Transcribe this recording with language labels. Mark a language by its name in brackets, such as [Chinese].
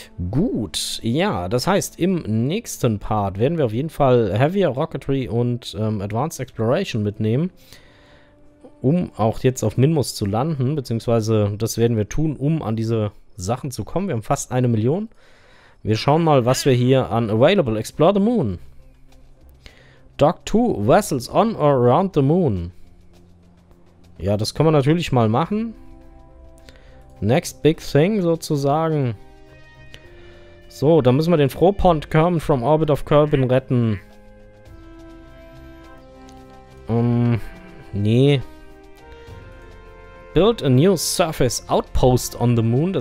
[German] Gut, ja, das heißt, im nächsten Part werden wir auf jeden Fall Heavier Rocketry und Advanced Exploration mitnehmen, um auch jetzt auf Minmus zu landen, beziehungsweise das werden wir tun, um an diese Sachen zu kommen. Wir haben fast 1 Million. Wir schauen mal, was wir hier an Available. [English] Explore the Moon. Dock 2 Vessels on or around the Moon. [German] Ja, das können wir natürlich mal machen. [English] Next big thing [German] sozusagen. So, da müssen wir den Frohpond Kerman [English] from Orbit of Kerbin [German] retten. [English] Nee. Build a new surface outpost on the moon.